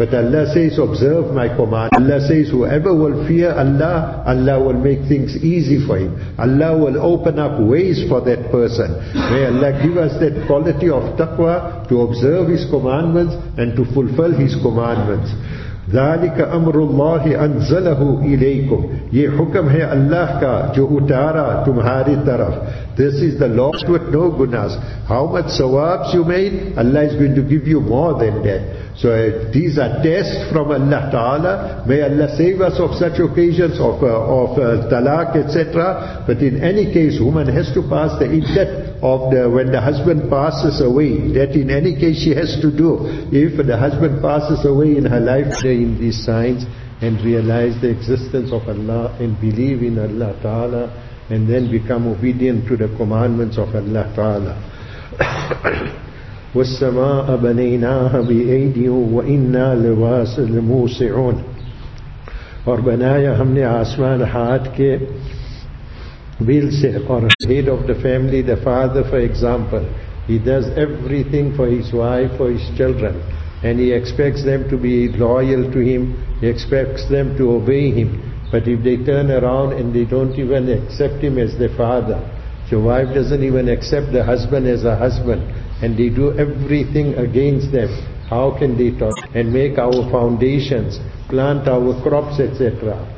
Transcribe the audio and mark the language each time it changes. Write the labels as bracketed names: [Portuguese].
[English] But Allah says, observe my command. Allah says, whoever will fear Allah, Allah will make things easy for him. Allah will open up ways for that person. May Allah give us that quality of taqwa to observe his commandments and to fulfill his commandments. [Arabic] ذَلِكَ أَمْرُ اللَّهِ أَنزَلَهُ إِلَيْكُمْ. [Urdu] یہ حکم ہے اللہ کا جو اتارا تمہاری طرف. [English] This is the law with no gunas. How much sawabs you made, Allah is going to give you more than that. So these are tests from Allah Ta'ala. May Allah save us of such occasions of talaq, etc. But in any case, woman has to pass the iddat of the, when the husband passes away. That in any case she has to do. If the husband passes away in her life, pray in these signs and realize the existence of Allah and believe in Allah Ta'ala, and then become obedient to the commandments of Allah Ta'ala. [Arabic] وَالسَّمَاءَ بَنَيْنَاهَا بِأَيْدٍ وَإِنَّا لِوَاسِ الْمُوسِعُونَ. [Urdu] اور بنایا ہم نے آسمان ہاتھ کے بیل سے. اور [English] head of the family, the father for example, he does everything for his wife, for his children, and he expects them to be loyal to him, he expects them to obey him. But if they turn around and they don't even accept him as their father, your wife doesn't even accept the husband as a husband, and they do everything against them, how can they talk and make our foundations, plant our crops, etc.?